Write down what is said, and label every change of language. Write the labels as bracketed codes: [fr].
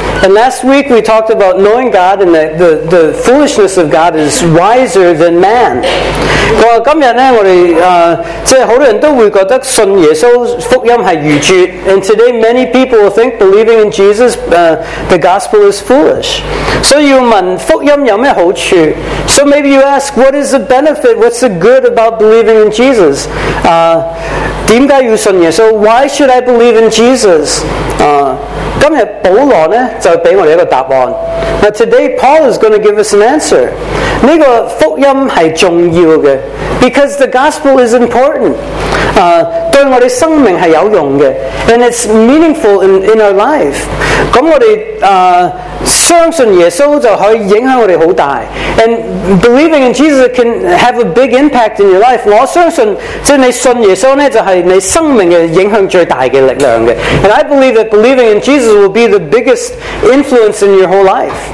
[en] And last week we talked about knowing God and that the foolishness of God is wiser than man. [zh] 今天我们很多人都会觉得信耶稣福音是预决。 [en] And today many people will think believing in Jesus, the gospel is foolish. [zh] 所以要问福音有什么好处？ [en] So maybe you ask, what is the benefit, what's the good about believing in Jesus? [zh] 为什么要信耶稣？ [en] Why should I believe in Jesus? [zh] 今天保罗就给我们一个答案。 [en] Now today Paul is going to give us an answer. [zh] 这个福音是重要的， [en] because the gospel is important. [zh] 对我们生命是有用的， [en] and it's meaningful in our life. [zh] 我们相信耶稣就可以影响我们很大。 [en] And believing in Jesus can have a big impact in your life. [zh] 我相信你信耶稣就是你生命影响最大的力量。 [en] And I believe that believing in Jesus will be the biggest influence in your whole life.